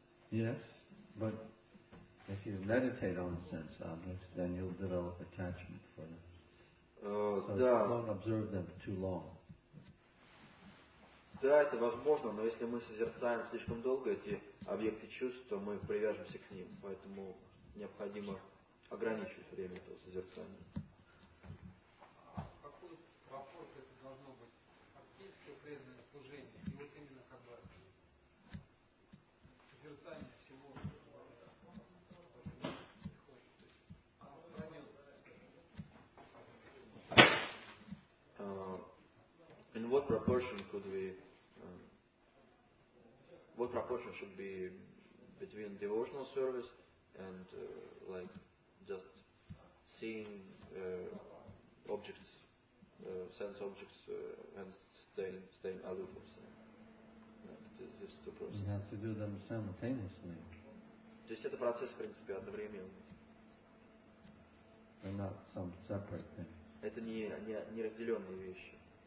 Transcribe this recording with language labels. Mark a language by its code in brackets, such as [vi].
[en] Yes. But if you meditate on the sense objects, then you'll develop attachment for them. Don't observe them too long. [ru] Да, это возможно, но если мы созерцаем слишком долго эти объекты чувств, то мы привяжемся к ним. Поэтому необходимо ограничивать время этого созерцания. А в какой пропорции это должно быть? Фактическое преданное служение? И вот именно как бы созерцание всего... [en] In what proportion could we, what proportion should be between devotional service and like just seeing objects, sense objects and staying aloof of them? These two processes. You have to do them simultaneously. [ru] То есть это процесс, в принципе, одновременно. [en] They're not some separate thing. [ru] Это не разделенные вещи.